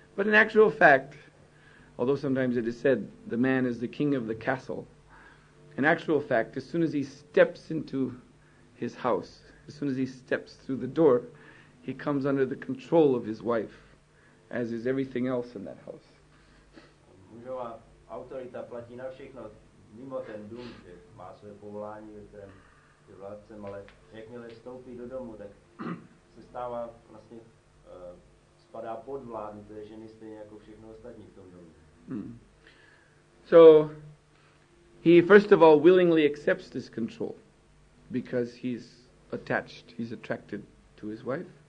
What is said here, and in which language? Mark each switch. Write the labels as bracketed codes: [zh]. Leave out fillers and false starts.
[en] But in actual fact, although sometimes it is said the man is the king of the castle, in actual fact, as soon as he steps into his house, as soon as he steps through the door, he comes under the control of his wife, as is everything else in that house. [cs] Mužová autorita platí na všechno mimo ten dům, že má své povolání, kterém je vládcem, ale jakmile vstoupí do domu, tak se stává vlastně, spadá pod vládu té ženy stejně jako všechno ostatní v tom domě. [en] So, he first of all willingly accepts this control because he's attached, he's attracted to his wife.